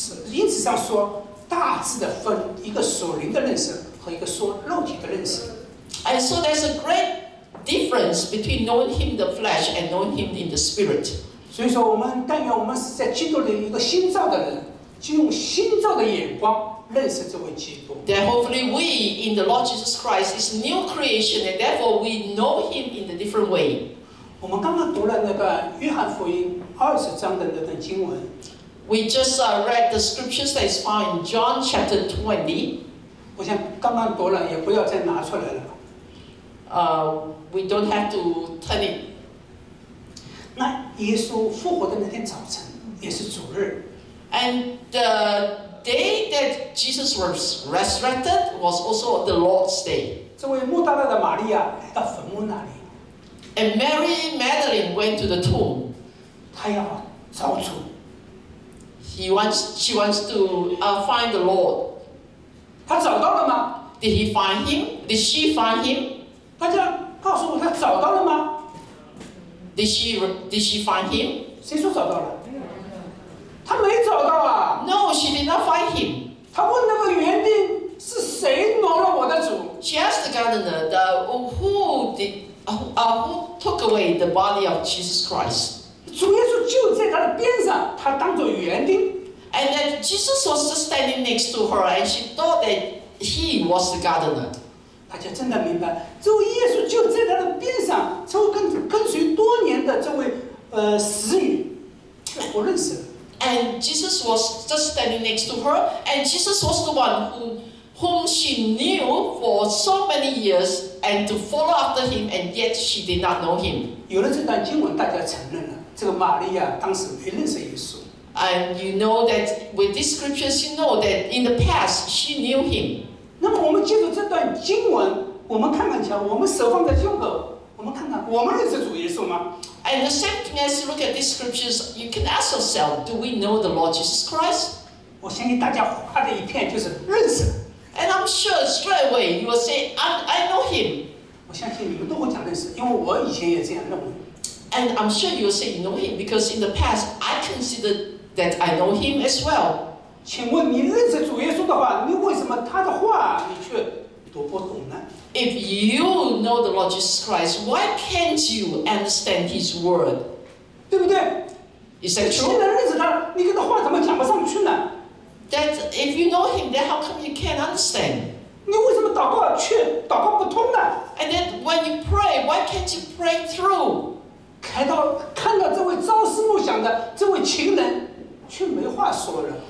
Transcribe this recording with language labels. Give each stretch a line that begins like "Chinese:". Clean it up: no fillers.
Chinese: 因此上说，大致的分一个属灵的认识和一个属肉体的认识。
English: And so there's a great difference between knowing him in the flesh and knowing him in the spirit.
Chinese: 所以说我们但愿我们是在基督里一个新造的人，就用新造的眼光认识这位基督。
English: Then hopefully we in the Lord Jesus Christ is new creation, and therefore we know Him in a different way.
Chinese: 我们刚刚读了那个约翰福音二十章的那段经文。
English: We just read the scriptures that is found in John chapter 20.
Chinese: 我想刚刚读了，也不要再拿出来了。
English: We don't have to turn it
Chinese: 那耶稣复活的那天早晨也是主日。
English: And the day that Jesus was resurrected was also the Lord's day.
Chinese: 这位穆大拉的玛利亚来到坟墓那里。
English: And Mary Magdalene went to the tomb.
Chinese: 她要找主。
English: She wants to find the Lord.
Chinese: 她找到了吗？
English: Did he find him? Did she find him?
Chinese: 大家告诉我，他找到了吗？
English: Did she find him?
Chinese: 谁说找到了？他没找到啊。
English: No, she did not find him.
Chinese: 他问那个园丁是谁挪了我的主。
English: She asked the gardener, who took away the body of Jesus Christ?
Chinese: 主耶稣就在他的边上，他当作园丁。
English: And then Jesus was just standing next to her, and she thought that. He was the gardener.
Chinese: 大家真的明白，这位耶稣就在他的边上，这位跟随多年的这位使女，不认识。
English: And Jesus was just standing next to her, and Jesus was the one whom she knew for so many years, and to follow after him, and yet she did not know him.
Chinese: 有了这段经文，大家承认了，这个玛利亚当时没认识耶稣。
English: And you know that with these scriptures, you know that in the past she knew him.
Chinese: 那么我们借助这段经文，我们看看瞧，我们手放在胸口，我们看看，我们认识主耶稣吗？
English: And the same thing as you look at these scriptures, you can ask yourself, do we know the Lord Jesus Christ?
Chinese: 我相信大家画的一片就是认识。
English: And I'm sure straight away you will say, I know him.
Chinese: 我相信你们都会讲认识，因为我以前也这样认为。
English: And I'm sure you'll say you know him because in the past I considered that I know him as well.
Chinese: 请问你认识主耶稣的话，你为什么他的话你却读不懂呢？
English: If you know the Lord Jesus Christ, why can't you understand his word?
Chinese: 对不对？
English: Is that true?
Chinese: 你现在认识他，你跟他话怎么讲不上去呢？
English: That if you know him, then how come you can't understand?
Chinese: 你为什么祷告却祷告不通呢？
English: And then when you pray, why can't you pray through?
Chinese: 看到这位朝思暮想的这位情人，却没话说了。